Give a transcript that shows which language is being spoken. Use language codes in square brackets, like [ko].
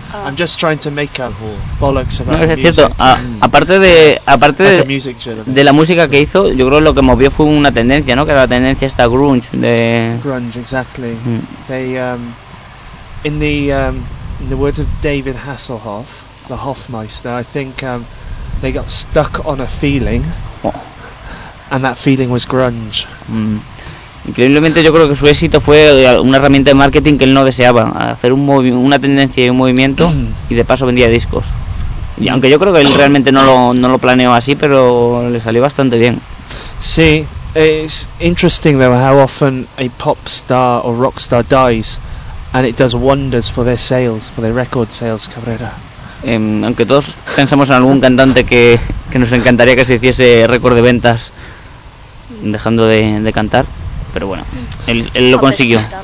[en] I'm just trying to make a bollocks about [es] music. Cierto. aparte de [en] like a music journal, [es] de la música que hizo, yo creo lo que movió fue una tendencia, ¿no? Que era la tendencia esta grunge de [en] grunge, exactly. They in the words of David Hasselhoff, the Hofmeister, I think they got stuck on a feeling. Oh. And that feeling was grunge. [es] Increíblemente yo creo que su éxito fue una herramienta de marketing que él no deseaba, hacer una tendencia y un movimiento y de paso vendía discos. Y aunque yo creo que él realmente no lo planeó así, pero le salió bastante bien. [en] Sí, it's interesting though how often a pop star or rock star dies and it does wonders for their sales, for their record sales, Cabrera. [es] Aunque todos pensamos en algún cantante que nos encantaría que se hiciese récord de ventas dejando de cantar, pero bueno, él lo consiguió.